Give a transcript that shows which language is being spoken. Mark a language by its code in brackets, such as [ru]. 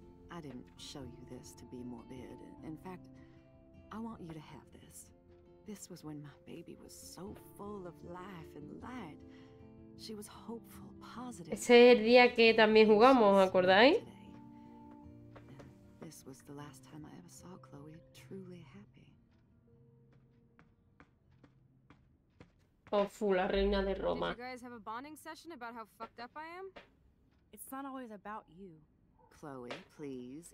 [en] I didn't show you this to be morbid. In fact, I want you to have this. This was when my baby was so full of life and light. She was hopeful, positive. [es] Ese es el día que también jugamos, ¿acordáis? [en] This was the last time I ever saw Chloe truly happy. [es] Oh, full, la reina de Roma. [en] Did you guys have a bonding session about how fucked up I am? It's not always about you. Chloe, please.